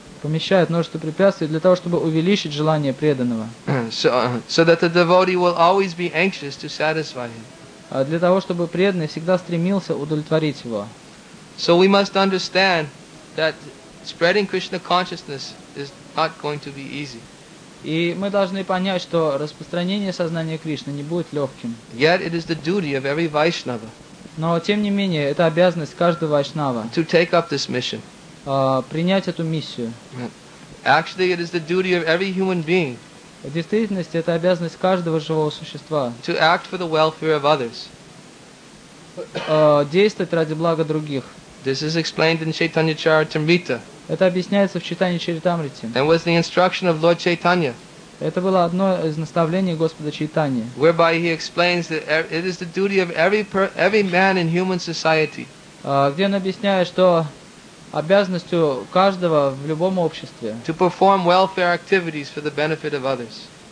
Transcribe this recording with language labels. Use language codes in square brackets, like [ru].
[ru] Помещает множество препятствий для того, чтобы увеличить желание преданного. [en] So that the devotee will always be anxious to satisfy him. [ru] Для того, чтобы преданный всегда стремился удовлетворить его. [en] So we must understand that spreading Krishna consciousness is not going to be easy. [ru] И мы должны понять, что распространение сознания Кришны не будет легким. [en] Yet it is the duty of every Vaishnava. [ru] Но тем не менее, это обязанность каждого Вайшнава. [en] To take up this mission. [ru] Принять эту миссию. [en] Actually, it is the duty of every human being. [ru] В действительности, это обязанность каждого живого существа. [en] To act for the welfare of others. [ru] Действовать ради блага других. [en] This is explained in Chaitanya Charitamrita. [ru] Это объясняется в Чайтанья Чаритамрите. [en] And was the instruction of Lord Chaitanya. [ru] Это было одно из наставлений Господа Чайтаньи. [en] Whereby he explains that it is the duty of every man in human society. [ru] Где он объясняет, что обязанностью каждого в любом обществе. [en] To perform welfare activities for the benefit of others.